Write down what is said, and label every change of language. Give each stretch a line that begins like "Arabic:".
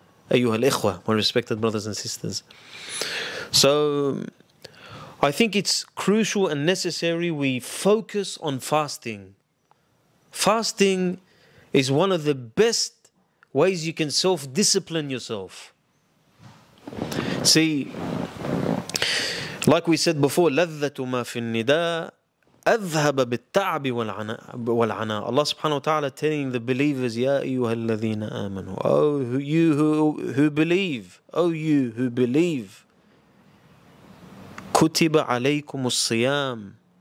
Arabic: Ayyuhal ikhwa,
English: my respected brothers and sisters. So I think it's crucial and necessary we focus on fasting. Fasting is one of the best ways you can self-discipline yourself. See, like we said before,
Arabic: لَذَّةُ مَا فِي النِّدَاءِ أَذْهَبَ بِالتَّعْبِ وَالْعَنَى.
English: Allah subhanahu wa ta'ala telling the believers,
Arabic: يَا أَيُّهَا الَّذِينَ آمَنُوا.
English: Oh, you who believe, oh you who believe,
Arabic: كُتِبَ عَلَيْكُمُ الصِّيَامِ.